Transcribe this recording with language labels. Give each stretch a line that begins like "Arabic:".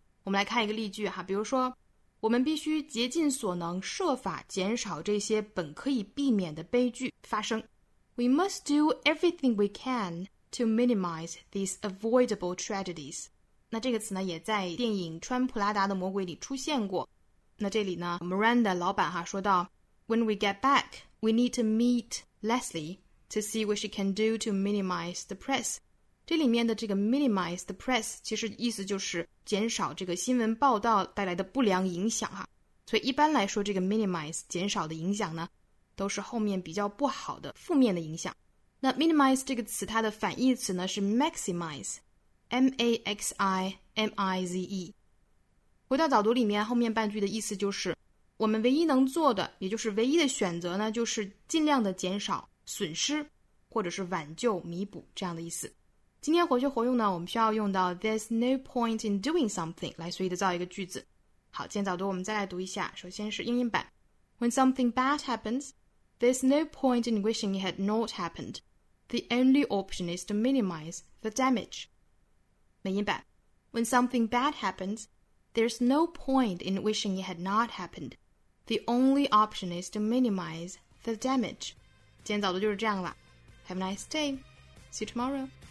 Chinese: 我们来看一个例句哈，比如说我们必须竭尽所能设法减少这些本可以避免的悲剧发生。
English: We must do everything we can to minimize these avoidable tragedies.
Chinese: 那这个词呢也在电影《穿普拉达的魔鬼》里出现过。那这里呢 Miranda 老板哈说道
English: When we get back, we need to meet Leslie to see what she can do to minimize the press.
Chinese: 这里面的这个 minimize the press 其实意思就是减少这个新闻报道带来的不良影响哈。所以一般来说这个 minimize 减少的影响呢都是后面比较不好的负面的影响。那 minimize 这个词它的反义词呢是 maximize, M-A-X-I-M-I-Z-E。回到早读里面后面半句的意思就是我们唯一能做的也就是唯一的选择呢就是尽量的减少损失或者是挽救弥补这样的意思。今天活学活用呢，我们需要用到
English: There's no point in doing something
Chinese: 来随意的造一个句子。好，今天早读我们再来读一下，首先是英音版。
English: When something bad happens, there's no point in wishing it had not happened. The only option is to minimize the damage.
Chinese: 美音版。
English: When something bad happens, There's no point in wishing it had not happened. The only option is to minimize the damage.
Chinese: 今天早读就是这样了。
English: Have a nice day. See you tomorrow.